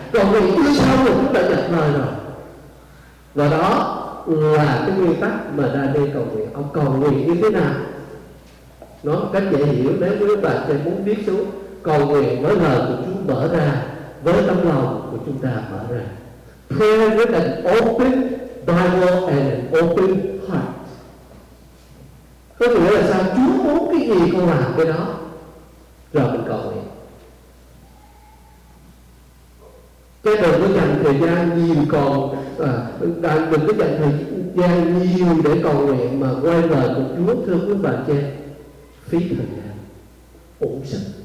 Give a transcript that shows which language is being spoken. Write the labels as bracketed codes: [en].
[vi] Cầu nguyện chưa xong rồi Chúa đã nhận lời rồi. Và đó là cái nguyên tắc mà Daniel cầu nguyện. Ông cầu nguyện như thế nào? Nó cách dễ hiểu, nếu như các bạn sẽ muốn viết xuống, cầu nguyện với lời của Chúa mở ra, với tâm lòng của chúng ta mở ra. [en] Prayer with an open Bible and an open heart. [vi] Có nghĩa là sao? Chúa muốn cái gì con làm cái đó, rồi mình cầu nguyện. Chứ đừng có dành thời gian nhiều còn mình có dành thời gian nhiều để cầu nguyện mà quay lời của Chúa, thương quý bà cha, phí thời gian uổng sức.